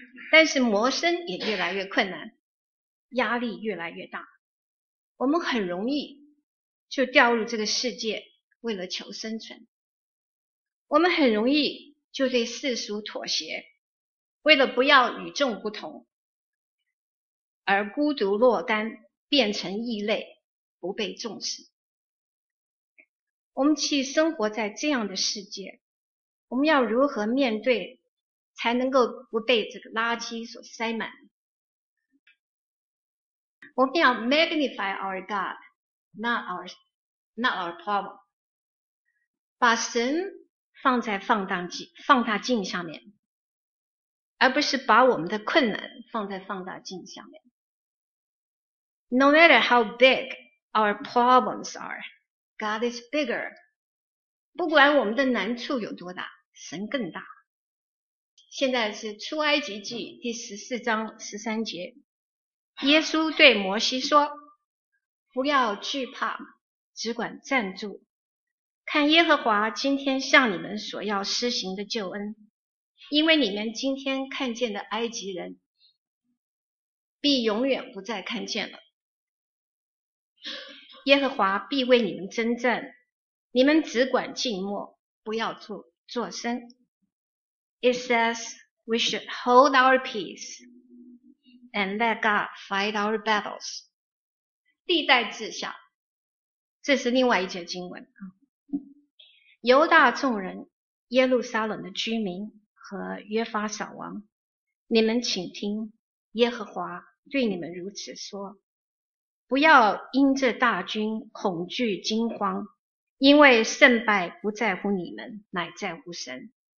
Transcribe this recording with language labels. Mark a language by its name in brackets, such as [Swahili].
[Chinese] 但是谋生也越来越困难，压力越来越大，我们很容易就掉入这个世界，为了求生存，我们很容易就对世俗妥协，为了不要与众不同而孤独落单，变成异类，不被重视。我们去生活在这样的世界，我们要如何面对，才能够不被这个垃圾所塞满？我们要 [English] magnify our God, not our problem. [Chinese] 把神放在放大镜上面，而不是把我们的困难放在放大镜上面。 [English] No matter how big our problems are, God is bigger. [Chinese] 不管我们的难处有多大，神更大。现在是出埃及记第14章13节，耶稣对摩西说，不要惧怕，只管站住，看耶和华今天向你们所要施行的救恩，因为你们今天看见的埃及人必永远不再看见了。耶和华必为你们征战，你们只管静默，不要做声。 [English] It says we should hold our peace and let God fight our battles. [Chinese] 历代志下，这是另外一节经文。犹大众人，耶路撒冷的居民和约法扫王，你们请听耶和华对你们如此说，不要因这大军恐惧惊慌，因为胜败不在乎你们，乃在乎神。